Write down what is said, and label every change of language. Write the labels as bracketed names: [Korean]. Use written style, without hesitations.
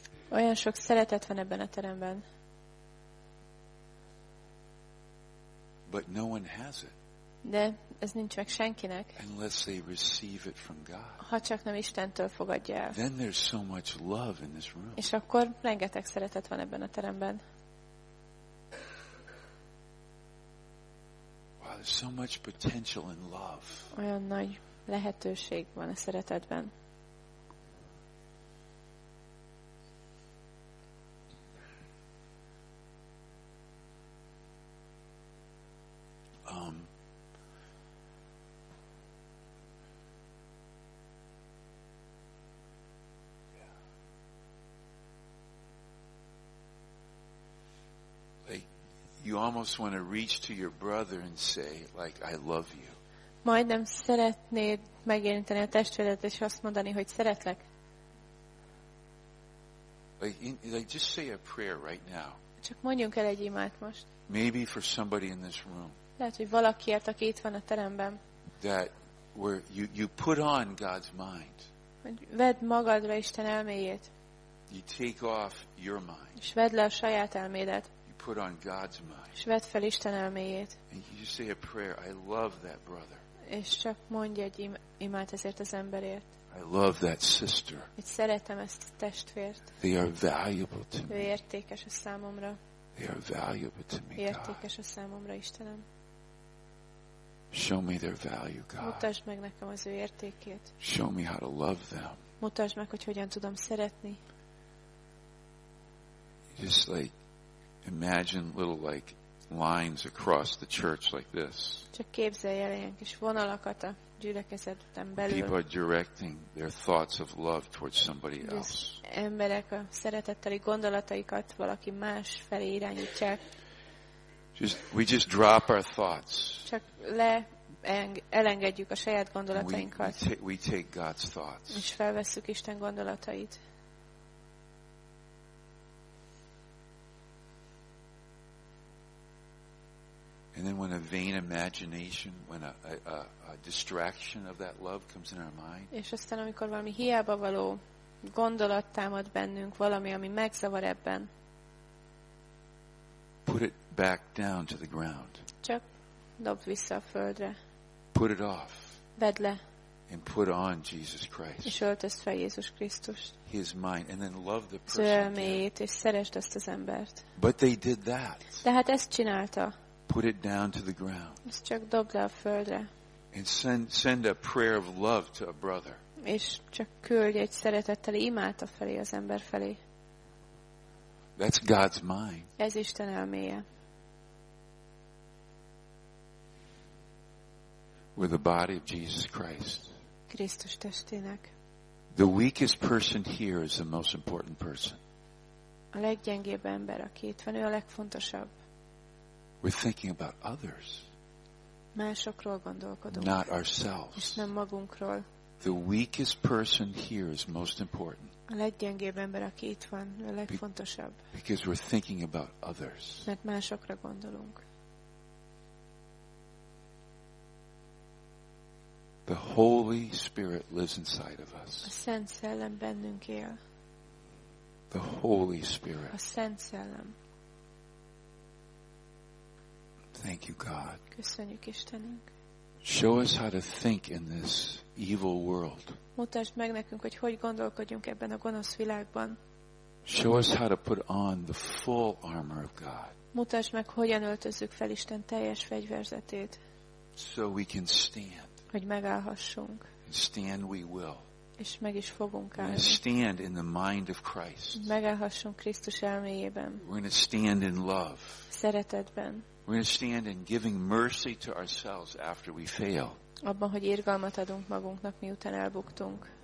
[Hungarian] Olyan sok szeretet van ebben a teremben. [English] But no one has it. [Hungarian] De ez nincs meg senkinek. [English] Unless they receive it from God. [Hungarian] Ha csak nem Istentől fogadja el. [English] Then there's so much love in this room. [Hungarian] És akkor rengeteg szeretet van ebben a teremben. [English] Wow, there's so much potential in love. [Hungarian] Olyan nagy lehetőség van a szeretetben. [English] you almost want to reach to your brother and say, like, I love you. [Hungarian] Majdnem szeretnéd megérinteni a testvéredet és azt mondani, hogy szeretlek. [English] Like just say a prayer right now. [Hungarian] Csak mondjunk el egy imát most. [English] Maybe for somebody in this room. [Hungarian] Lehet, hogy valakiért, aki itt van a teremben. [English] That where you put on God's mind. [Hungarian] Vedd magadra Isten elméjét. [English] You take off your mind. [Hungarian] És vedd le a saját elmédet. [English] You put on God's mind. [Hungarian] És vedd fel Isten elméjét. [English] And you just say a prayer. I love that brother. [Hungarian] És csak mondj egy imát ezért az emberért. [English] I love that sister. [Hungarian] Én szeretem ezt a testvért. [English] They are valuable to me. [Hungarian] Ő értékes a számomra. [English] They are valuable to me, God. [Hungarian] Értékes a számomra, Istenem. [English] Show me their value, God. [Hungarian] Mutasd meg nekem az ő értékét. [English] Show me how to love them. [Hungarian] Mutasd meg, hogy hogyan tudom szeretni. [English] Just like imagine little like lines across the church like this. [Hungarian] Csak képzelj el ilyen kis vonalakat a gyülekezeten belül. [English] People are directing their thoughts of love towards somebody else. [Hungarian] Emberek a szeretetteli gondolataikat valaki más felé irányítják. [English] We just drop our thoughts. [Hungarian] Csak elengedjük a saját gondolatainkat. [English] We take God's thoughts. [Hungarian] És felvesszük Isten gondolatait. [English] And then when a vain imagination, when a distraction of that love comes in our mind. [Hungarian] És aztán amikor valami hiába való gondolat támad bennünk, valami ami megzavar ebben. [English] Put it back down to the ground. [Hungarian] Csak dobd vissza a földre. [English] Put it off. [Hungarian] Vedd le. [English] And put on Jesus Christ. [Hungarian] És öltözd fel Jézus Krisztust. [English] His mind, and then love the person. [Hungarian] Az elmét, és szeresd azt az embert. [English] But they did that. [Hungarian] De hát ezt csinálta. [English] Put it down to the ground. [Hungarian] Ezt csak dobd le a földre. [English] And send a prayer of love to a brother. [Hungarian] És csak küldj egy szeretetteli imát a felé az ember felé. [English] That's God's mind. [Hungarian] Ez Isten elméje. [English] With the body of Jesus Christ. [Hungarian] Krisztus testének. [English] The weakest person here is the most important person. [Hungarian] A leggyengébb ember, aki itt van, ő a legfontosabb. [English] We're thinking about others. [Hungarian] Másokról gondolkodunk. [English] Not ourselves. [Hungarian] És nem magunkról. [English] The weakest person here is most important. [Hungarian] A leggyengébb ember, aki itt van, a legfontosabb. [English] Because we're thinking about others. [Hungarian] Mert másokra gondolunk. [English] The Holy Spirit lives inside of us. [Hungarian] A Szent Szellem bennünk él. [English] The Holy Spirit. [Hungarian] A Szent Szellem. [English] Thank you, God. [Hungarian] Köszönjük Istenünk. [English] Show us how to think in this evil world. [Hungarian] Mutasd meg nekünk, hogy hogy gondolkodjunk ebben a gonosz világban. [English] Show us how to put on the full armor of God. [Hungarian] Mutasd meg, hogyan öltözzük fel Isten teljes fegyverzetét. [English] So we can stand. [Hungarian] Hogy megállhassunk. [English] Stand we will. [Hungarian] És meg is fogunk állni. [English] We're going to stand in the mind of Christ. [Hungarian] Megállhassunk Krisztus elméjében. [English] We're going to stand in love. [Hungarian] Szeretetben. [English] We're going to stand in giving mercy to ourselves after we fail. [Hungarian] Abban, hogy irgalmat adunk magunknak, miután elbuktunk.